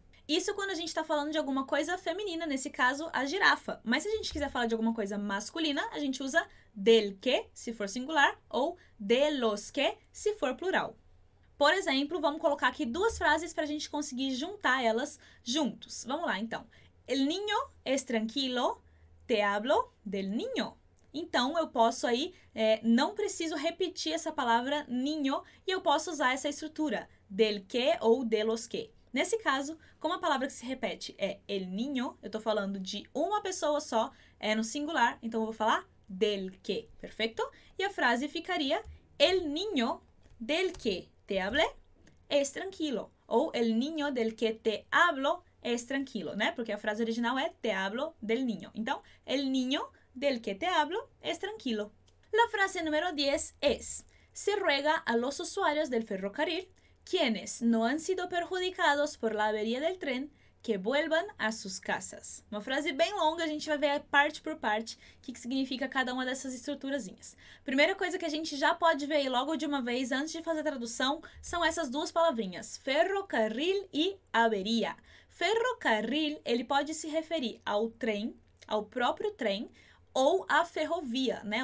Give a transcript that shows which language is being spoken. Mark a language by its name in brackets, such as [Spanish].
[Portuguese] Isso quando a gente está falando de alguma coisa feminina, nesse caso, a girafa. Mas se a gente quiser falar de alguma coisa masculina, a gente usa del que, se for singular, ou de los que, se for plural. Por exemplo, vamos colocar aqui duas frases para a gente conseguir juntar elas juntos. Vamos lá, então. [Spanish] El niño es tranquilo, te hablo del niño. [Portuguese] Então, eu posso aí, não preciso repetir essa palavra niño e eu posso usar essa estrutura, del que ou de los que. Nesse caso, como a palavra que se repete é el niño, eu estou falando de uma pessoa só, é no singular, então eu vou falar del que, perfeito? E a frase ficaria [Spanish] el niño del que. Te hablé, es tranquilo. Ou el niño del que te hablo es tranquilo, né? [Portuguese] Porque a frase original é [Spanish] te hablo del niño. Então, el niño del que te hablo es tranquilo. La frase número 10 es, se ruega a los usuarios del ferrocarril, quienes no han sido perjudicados por la avería del tren, que vuelvan a sus casas. [Portuguese] Uma frase bem longa, a gente vai ver parte por parte o que significa cada uma dessas estruturazinhas. Primeira coisa que a gente já pode ver aí logo de uma vez antes de fazer a tradução são essas duas palavrinhas, ferrocarril e avería. Ferrocarril, ele pode se referir ao trem, ao próprio trem, ou à ferrovia, né?